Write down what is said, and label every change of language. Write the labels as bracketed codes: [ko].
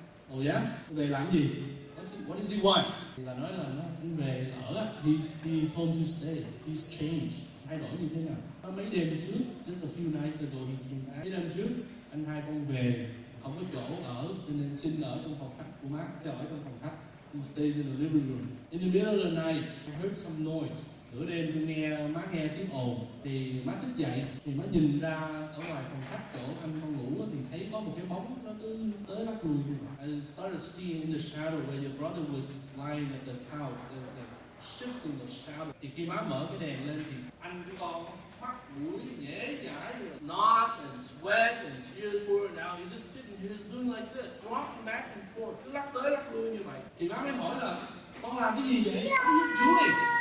[vi] Oh yeah, về làm gì? [en] What does he want? [vi] Thì là nói là nó anh về ở á, [en] he's home to stay, he's changed, [vi] thay đổi như thế nào. Mấy đêm trước, [en] just a few nights ago he came back. [vi] Mấy đêm trước, anh hai con về, không có chỗ ở, cho nên xin ở trong phòng khách của má, cho ở trong phòng khách. [en] He stays in the living room. In the middle of the night, I heard some noise. [vi] Nửa đêm tôi nghe má nghe tiếng ồn, thì má thức dậy, thì má nhìn ra ở ngoài phòng khách chỗ anh con ngủ thì thấy có một cái bóng nó cứ tới đắp lùi như vậy. [en] I started seeing in the shadow where your brother was lying at the couch, there was like shifting the shadow. [vi] Thì khi má mở cái đèn lên thì anh với con mắt mũi nhễ nhãi, [en] snot and sweat and tears pouring out. He's just sitting here doing like this, rocking back and forth, [vi] lắc tới lắc lui như vậy. Thì má mới hỏi là con làm cái gì vậy? Con giúp chú đi.